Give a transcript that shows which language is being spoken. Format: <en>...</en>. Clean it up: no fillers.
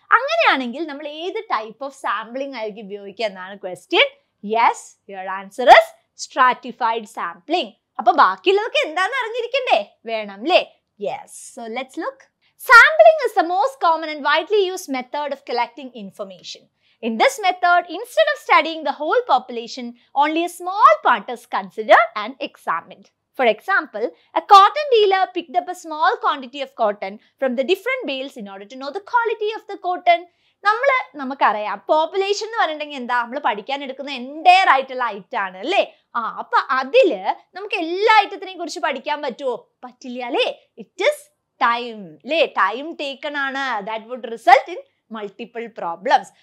<ml>അങ്ങനെയാണെങ്കിൽ നമ്മൾ ഏത് ടൈപ്പ് ഓഫ് സാമ്പിളിംഗ് ആയിരിക്കും ഉപയോഗിക്കുക എന്നാണ് question.</ml> <en>Yes, your answer is stratified sampling.</en> <ml>അപ്പൊ ബാക്കിയുള്ളതൊക്കെ എന്താണെന്ന് അറിഞ്ഞിരിക്കണ്ടേ, വേണം അല്ലേ.</ml> <en>Yes, so let's look. Sampling is the most common and widely used method of collecting information. In this method, instead of studying the whole population, only a small part is considered and examined. For example, a cotton dealer picked up a small quantity of cotton from the different bales in order to know the quality of the cotton.</en> <ml>നമുക്കറിയാം population എന്ന് പറഞ്ഞിട്ടുണ്ടെങ്കിൽ എന്താ, നമ്മൾ പഠിക്കാൻ എടുക്കുന്ന entire ആയിട്ടുള്ള item ആണ് അല്ലേ. ആ അപ്പൊ അതില് നമുക്ക് എല്ലാ ഐറ്റത്തിനെയും കുറിച്ച് പഠിക്കാൻ പറ്റുമോ, പറ്റില്ല അല്ലേ.</ml> <en>It is time അല്ലേ, time taken ആണ്. That would result in multiple problems.</en>